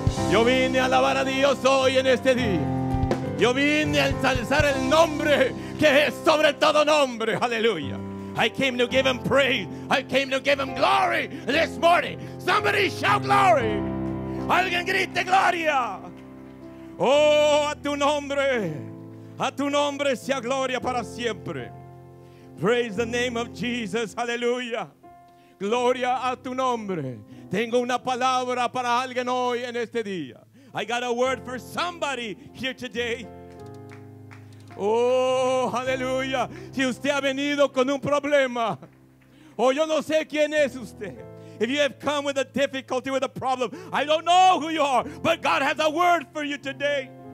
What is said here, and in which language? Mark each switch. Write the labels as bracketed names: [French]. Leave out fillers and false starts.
[Spanish] Yo vine a alabar a Dios hoy en este día. Yo vine a ensalzar el nombre que es sobre todo nombre. [English] Hallelujah. I came to give him praise. I came to give him glory this morning. Somebody shout glory. [Spanish] Alguien grite gloria. Oh, a tu nombre. A tu nombre sea gloria para siempre. [English] Praise the name of Jesus. Hallelujah. [Spanish] Gloria a tu nombre. Tengo una palabra para alguien hoy en este día. [English] I got a word for somebody here today. [Spanish] Oh, hallelujah. Si usted ha venido con un problema, o yo no sé quién es usted. [English] If you have come with a difficulty, with a problem, I don't know who you are, but God has a word for you today.